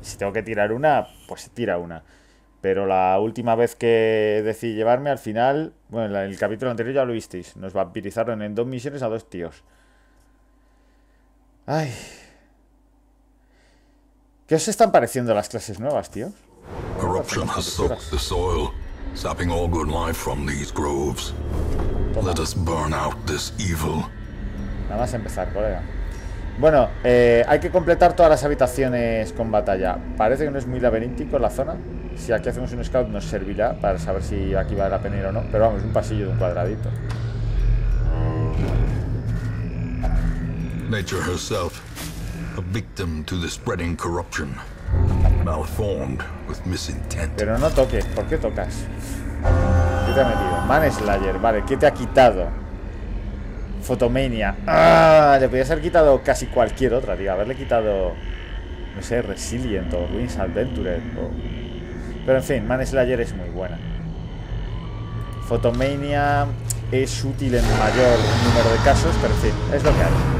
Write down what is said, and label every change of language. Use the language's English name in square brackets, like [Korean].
[Spanish] Si tengo que tirar una, pues tira una. Pero la última vez que decidí llevarme, al final... bueno, en el capítulo anterior ya lo visteis. Nos vampirizaron en dos misiones a dos tíos. Ay... ¿qué os están pareciendo las clases nuevas, tío? [English] Corruption has soaked the soil, sapping all good life from these groves. Let us burn out this evil. [Spanish] Nada más empezar, colega. Bueno, hay que completar todas las habitaciones con batalla. Parece que no es muy laberíntico la zona. Si aquí hacemos un scout nos servirá para saber si aquí vale la pena ir o no. Pero vamos, un pasillo de un cuadradito. [English] Nature herself. A victim to the spreading corruption, malformed with misintent. [Spanish] Pero no toques, ¿por qué tocas? ¿Qué te ha metido? Manslayer, vale, ¿qué te ha quitado? Fotomania. ¡Ah! Le podías haber quitado casi cualquier otra, tío. Haberle quitado, no sé, Resilient o Ruins Adventurer o... pero en fin, Manslayer es muy buena. Fotomania es útil en mayor número de casos, pero en fin, es lo que hay.